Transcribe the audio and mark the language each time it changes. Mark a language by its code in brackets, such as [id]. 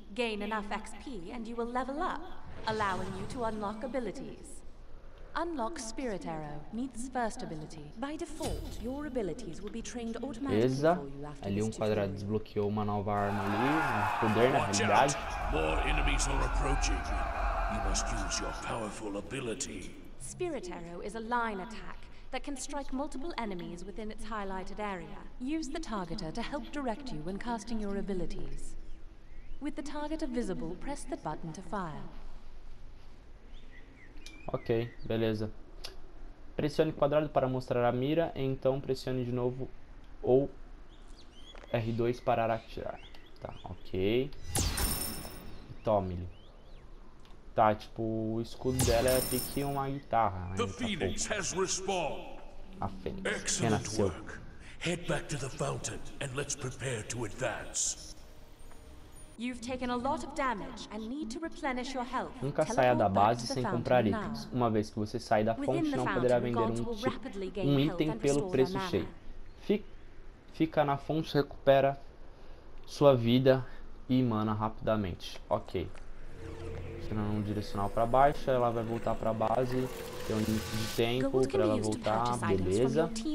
[en] Gain enough XP and you will level up, allowing you to unlock abilities. Unlock Spirit Arrow, Neith's first ability. By default, your abilities will be trained automatically for you after. [pt] Ali um quadrado desbloqueou uma nova arma ali, um poder na realidade. [en] More enemies are approaching. You must use your powerful ability. Spirit Arrow is a line attack that can strike multiple enemies within its highlighted area. Use the targeter to help direct you when casting your abilities. With the targeter visible, press the button to fire. [pt] Ok, beleza. Pressione quadrado para mostrar a mira, e então pressione de novo ou R2 para atirar. Tá, ok. Tome-lhe. Tá, tipo, o escudo dela é pique uma guitarra. [en] The Phoenix has respawned. [pt] A Fênix. [en] Excellent work. Head back to the fountain and let's prepare to advance. You've taken a lot of damage and need to replenish your health. [pt] Nunca saia da base sem comprar itens. Uma vez que você sai da fonte, não poderá vender um item pelo preço cheio. Fica na fonte, recupera sua vida e mana rapidamente. Ok. Tirando um direcional para baixo, ela vai voltar para a base. Tem um limite de tempo para ela voltar, beleza.